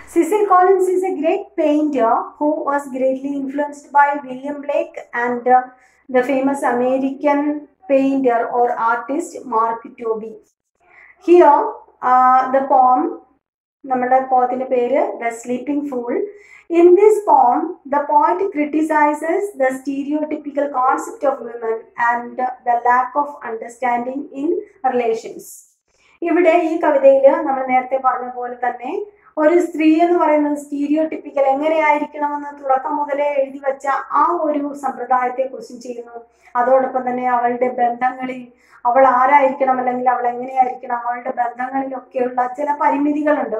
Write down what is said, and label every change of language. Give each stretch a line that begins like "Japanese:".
English: Cecil Collins is a great painter who was greatly influenced by William Blake and the famous American painter or artist Mark Tobey. Here the poem,
Malayalam: നമ്മുടെ പോത്തിന്റെ പേര്
English: The sleeping fool. In this poem, the poet criticizes the stereotypical concept of women and the lack of understanding in relations.
Malayalam: ഇവിടെ ഈ കവിതയിൽ നമ്മൾ നേരത്തെ പറഞ്ഞ പോലെ തന്നെ ഒരു സ്ത്രീ എന്ന് പറയുന്നത് സ്റ്റീരിയോടിപ്പിക്കൽ എങ്ങനെയായിരിക്കണമെന്ന് തുടക്കം മുതലേ എഴുതി വച്ച ആ ഒരു സമ്പ്രദായത്തെ ക്വസ്റ്റ്യൻ ചെയ്യുന്നു. അതോടൊപ്പം തന്നെ അവളുടെ ബന്ധങ്ങളിൽ അവൾ ആരായിരിക്കണം അല്ലെങ്കിൽ അവൾ എങ്ങനെയായിരിക്കണം, അവളുടെ ബന്ധങ്ങളിലൊക്കെയുള്ള ചില പരിമിതികളുണ്ട്.